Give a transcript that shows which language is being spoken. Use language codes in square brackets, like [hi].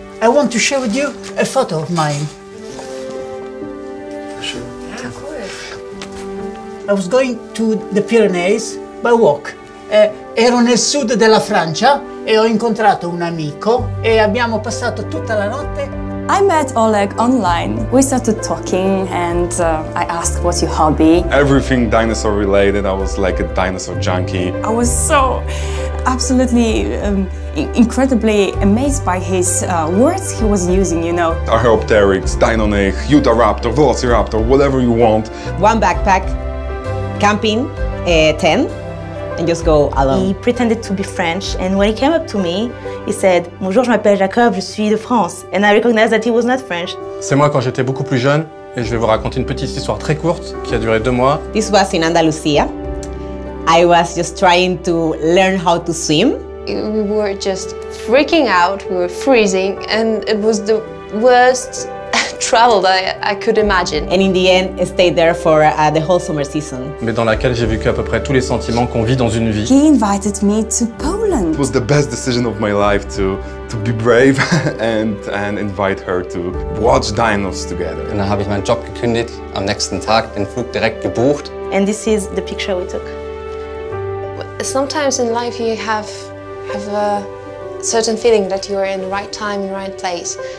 [en] I want to share with you a photo of mine. I was going to the Pyrenees by walk. [it] Ero nel sud della Francia e ho incontrato un amico e abbiamo passato tutta la notte. [en] I met Oleg online. We started talking and I asked what's your hobby. Everything dinosaur related. I was like a dinosaur junkie. I was so absolutely incredibly amazed by his words he was using, you know. Archaeopteryx, Deinonych, Utahraptor, Velociraptor, whatever you want. One backpack. Camping, 10, and just go alone. He pretended to be French, and when he came up to me, he said, [fr] "Bonjour, je m'appelle Jacob, je suis de France." [en] And I recognized that he was not French. [fr] C'est moi quand j'étais beaucoup plus jeune, et je vais vous raconter une petite histoire très courte qui a duré 2 mois. [en] This was in Andalusia. I was just trying to learn how to swim. We were just freaking out. We were freezing, and it was the worst travel that I could imagine. And in the end, I stayed there for the whole summer season. [fr] Mais dans laquelle j'ai vécu à peu près tous les sentiments qu'on vit dans une vie. [en] He invited me to Poland. It was the best decision of my life to be brave and invite her to watch dinos together. [de] Und dann habe ich meinen Job gekündigt, am nächsten Tag den Flug direkt gebucht. [en] And this is the picture we took. Sometimes in life you have a certain feeling that you are in the right time, in the right place.